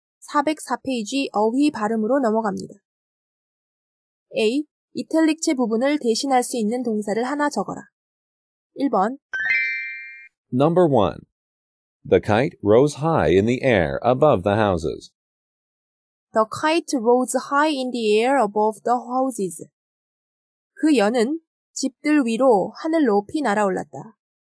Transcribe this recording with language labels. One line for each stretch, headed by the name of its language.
Korean: 404페이지 어휘 발음으로 넘어갑니다.
English: A.
Korean: 이탈릭체 부분을 대신할 수 있는 동사를 하나 적어라. 1번
English: Number 1. The kite rose high in the air above the houses. The kite rose high in the air above the houses.
Korean: 그 여는 집들 위로 하늘 높이 날아올랐다.